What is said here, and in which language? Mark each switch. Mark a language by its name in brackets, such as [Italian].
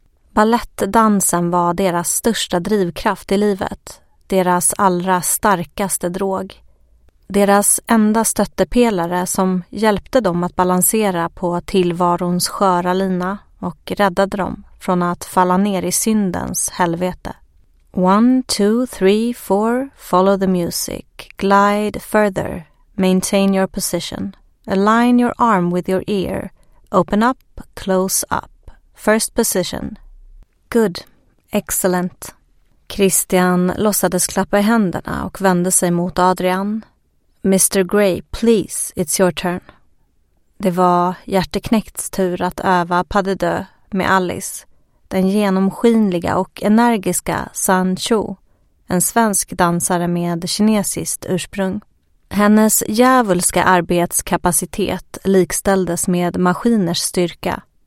[Swedish] Ballettdansen var deras största drivkraft i livet, deras allra starkaste drog. Deras enda stöttepelare som hjälpte dem att balansera på tillvarons sköra lina och räddade dem från att falla ner i syndens helvete. [English] 1, 2, 3, 4, follow the music, glide further, maintain your position, align your arm with your ear, open up, close up, first position. Good, excellent. [Swedish] Christian låtsades klappa i händerna och vände sig mot Adrian. [English] Mr. Gray, please, it's your turn. [Swedish] Det var hjärteknäckts tur att öva pas de deux med Alice, den genomskinliga och energiska San Chou, en svensk dansare med kinesiskt ursprung. Hennes djävulska arbetskapacitet likställdes med maskiners styrka.